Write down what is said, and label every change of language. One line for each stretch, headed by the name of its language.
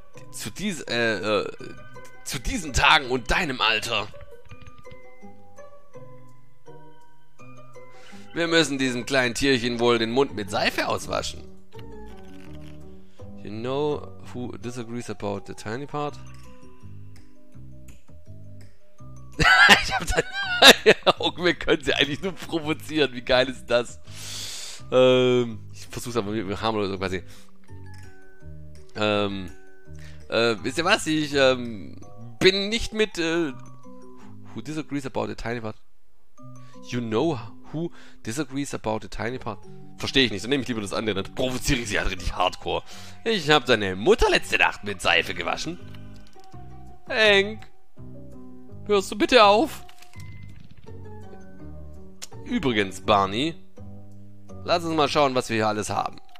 German: Zu diesen Tagen und deinem Alter. Wir müssen diesem kleinen Tierchen wohl den Mund mit Seife auswaschen.
English: You know who disagrees about the tiny part?
German: Ich hab dann... Okay, wir können sie eigentlich nur provozieren. Wie geil ist das? Ich versuch's aber mit Hammer oder so quasi. Wisst ihr was? Ich bin nicht mit...
English: who disagrees about the tiny part? You know who disagrees about the tiny part?
German: Verstehe ich nicht, dann nehme ich lieber das andere. Dann provoziere ich sie halt richtig hardcore. Ich habe deine Mutter letzte Nacht mit Seife gewaschen. Hank, hörst du bitte auf? Übrigens, Barney, lass uns mal schauen, was wir hier alles haben.